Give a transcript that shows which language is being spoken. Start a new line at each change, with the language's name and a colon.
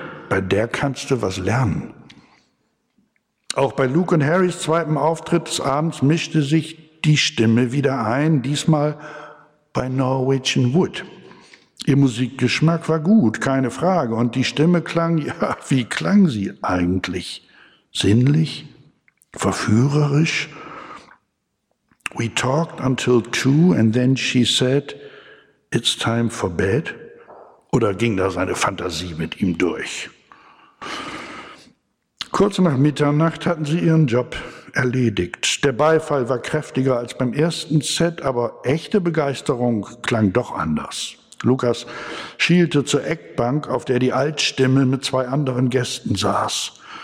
German: Bei der kannst du was lernen. Auch bei Luke und Harrys zweitem Auftritt des Abends mischte sich die Stimme wieder ein, diesmal bei Norwegian Wood. Ihr Musikgeschmack war gut, keine Frage. Und die Stimme klang, ja, wie klang sie eigentlich? Sinnlich? Verführerisch?
English: We talked until 2 and then she said, it's time for bed.
German: Oder ging da seine Fantasie mit ihm durch? Kurz nach Mitternacht hatten sie ihren Job erledigt. Der Beifall war kräftiger als beim ersten Set, aber echte Begeisterung klang doch anders. Lukas schielte zur Eckbank, auf der die Altstimme mit 2 anderen Gästen saß.